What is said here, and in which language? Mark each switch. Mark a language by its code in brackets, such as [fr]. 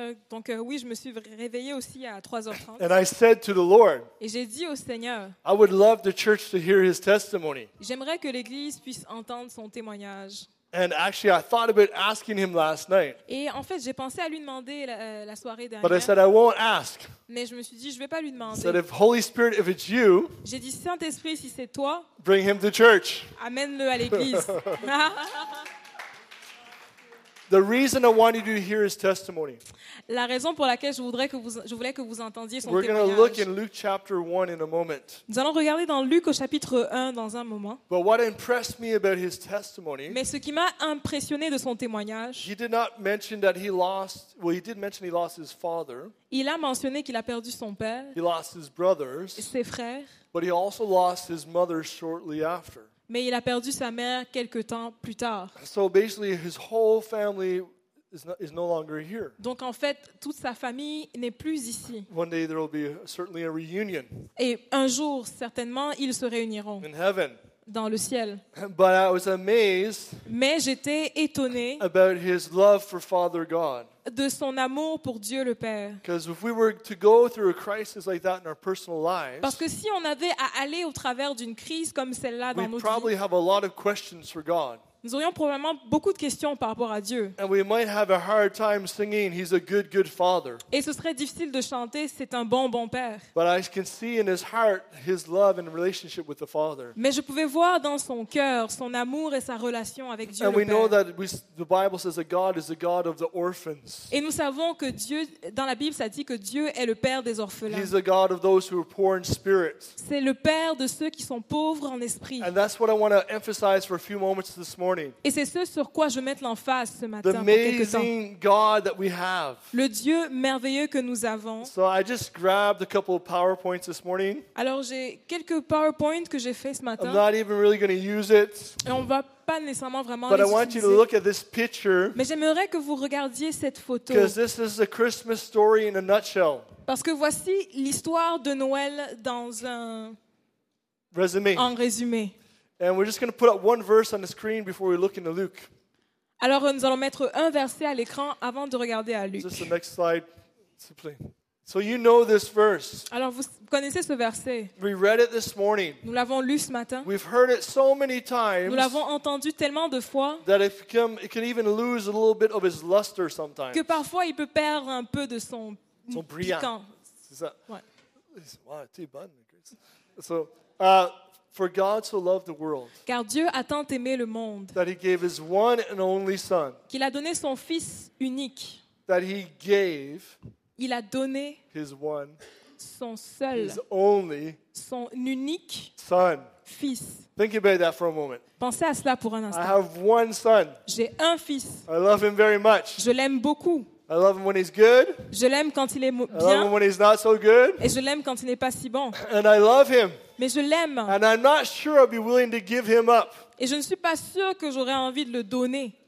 [fr] Donc, oui, je me suis réveillé aussi à 3h30. [en] And I said to the Lord, [fr] et j'ai dit au Seigneur, [en] I would love the church to hear his testimony. [fr] J'aimerais que l'église puisse entendre son témoignage. [en] And actually, I thought about asking him last night. [fr] Et en fait, j'ai pensé à lui demander la soirée dernière. [en] But I said I won't ask. [fr] Mais je me suis dit, je vais pas lui demander. [en] Said if Holy Spirit, if it's you. [fr] J'ai dit Saint Esprit, si c'est toi. [en] Bring him to church. [fr] Amène-le à l'église. [en] The reason I wanted you to hear his testimony. [fr] La raison pour laquelle je voulais que vous entendiez son témoignage. [en] We're going to look in Luke chapter 1 in a moment. [fr] Nous allons regarder dans Luc au chapitre 1 dans un moment. [en] But what impressed me about his testimony? [fr] Mais ce qui m'a impressionné de son témoignage. [en] He did not mention that he lost. Well, he did mention he lost his father. [fr] Il a mentionné qu'il a perdu son père. [en] He lost his brothers. [fr] Ses frères. [en] But he also lost his mother shortly after. [fr] Mais il a perdu sa mère quelque temps plus tard. [en] So basically his whole family is no longer here. [fr] Donc en fait, toute sa famille n'est plus ici. [en] One day there will be certainly a reunion. [fr] Et un jour, certainement, ils se réuniront. [en] In heaven. [fr] Dans le ciel. [en] But I was amazed. [fr] Mais j'étais étonné. [en] About his love for Father God. [fr] De son amour pour Dieu le Père. [en] Because if we were to go through a crisis like that in our personal lives. [fr] Parce que si on avait à aller au travers d'une crise comme celle-là dans notre vie. [en] We probably have a lot of questions for God. [fr] Nous aurions probablement beaucoup de questions par rapport à Dieu. [en] And we might have a hard time singing, "He's a good, good Father." [fr] Et ce serait difficile de chanter, "C'est un bon, bon Père." [en] But I can see in his heart his love and relationship with the Father. [fr] Mais je pouvais voir dans son cœur son amour et sa relation avec Dieu le Père. [en] And we know that the Bible says that God is the God of the orphans. [fr] Et nous savons que Dieu, dans la Bible, ça dit que Dieu est le Père des orphelins. [en] He's the God of those who are poor in spirit. [fr] C'est le Père de ceux qui sont pauvres en esprit. [en] And that's what I want to emphasize for a few moments this morning. [fr] Et c'est ce sur quoi je mets l'emphase ce matin. [en] The amazing God that we have. [fr] Le Dieu merveilleux que nous avons. [en] So I just grabbed a couple of PowerPoints this morning. [fr] Alors j'ai quelques PowerPoints que j'ai fait ce matin. [en] I'm not even really going to use it. [fr] Et on va pas nécessairement vraiment [en] But [fr] les [en] I want [fr] utiliser. [en] You to look at this picture. [fr] Mais j'aimerais que vous regardiez cette photo. [en] Because this is a Christmas story in a nutshell. [fr] Parce que voici l'histoire de Noël dans un résumé. En résumé. [en] And we're just going to put up one verse on the screen before we look into Luke. [fr] Alors nous allons mettre un verset à l'écran avant de regarder à Luc. [en] Just the next slide, simply. So you know this verse. [fr] Alors vous connaissez ce verset. [en] We read it this morning. [fr] Nous l'avons lu ce matin. [en] We've heard it so many times. [fr] Nous l'avons entendu tellement de fois. [en] That it can even lose a little bit of its luster sometimes. [fr] Que parfois il peut perdre un peu de son brillant. Piquant. C'est ça. Ouais. Wow, t'es bonne, Chris. [en] So. For God so loved the world. [fr] Car Dieu a tant aimé le monde. [en] That he gave his one and only son. [fr] Qu'il a donné son fils unique. [en] That he gave. [fr] Il a donné. [en] His one. [fr] Son seul. [en] His only. [fr] Son unique. [en] Son. [fr] Fils. [en] Think about that for a moment. [fr] Pensez à cela pour un instant. [en] I have one son. [fr] J'ai un fils. [en] I love him very much. [fr] Je l'aime beaucoup. [en] I love him when he's good. [fr] Je l'aime quand il est bien. [en] I love him when he's not so good. [fr] Et je l'aime quand il n'est pas si bon. [en] And I love him. [fr] Mais je l'aime. [en] And I'm not sure I'll be willing to give him up. [fr] Et je ne suis pas sûr que j'aurais envie de le donner.